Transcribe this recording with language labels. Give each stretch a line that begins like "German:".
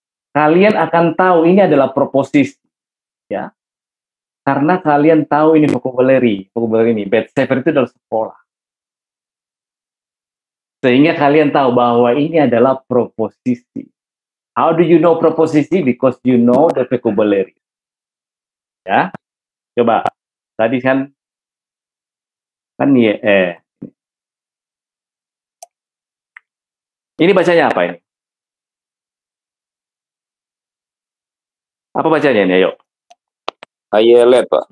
Indonesian: Kalian akan tahu ini adalah proposisi. Ya. Karena kalian tahu ini vocabulary. Vocabulary ini, bet sefer itu adalah sekolah. Sehingga kalian tahu bahwa ini adalah proposisi.
English: How do you know proposisi? Because you know the vocabulary.
Indonesian: Ya. Coba. Tadi kan ya, ini bacanya apa ini? Apa bacanya ini? Ayo. Ayelet, Pak.